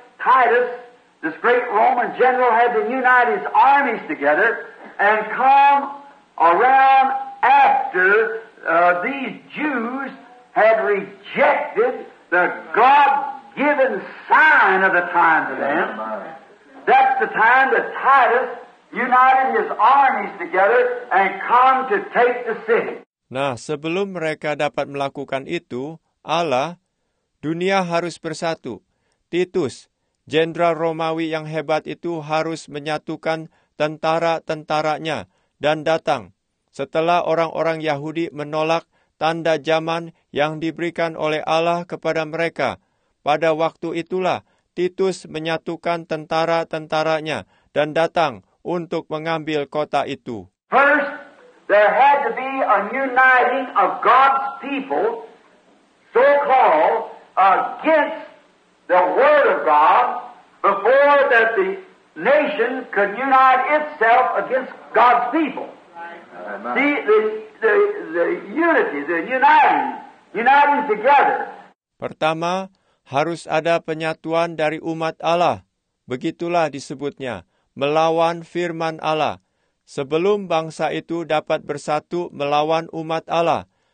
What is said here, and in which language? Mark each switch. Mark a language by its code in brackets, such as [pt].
[en] Titus, this great Roman general, had to unite his armies together and come around after these Jews had rejected the God-given sign of the time to them. That's the time that Titus united his armies together and come to take the city. [id] Nah, sebelum mereka dapat melakukan itu, Allah, dunia harus bersatu. Titus, jenderal Romawi yang hebat itu harus menyatukan tentara-tentaranya dan datang. Setelah orang-orang Yahudi menolak tanda zaman yang diberikan oleh Allah kepada mereka, pada waktu itulah Titus menyatukan tentara-tentaranya dan datang untuk mengambil kota itu. [en] First, there had to be a uniting of God's people, so-called, against the word of God, before that the nation could unite itself against God's people. See, the unity, the uniting together. [id] Pertama, harus ada penyatuan dari umat Allah, begitulah disebutnya, melawan firman Allah, sebelum bangsa itu dapat bersatu melawan umat Allah.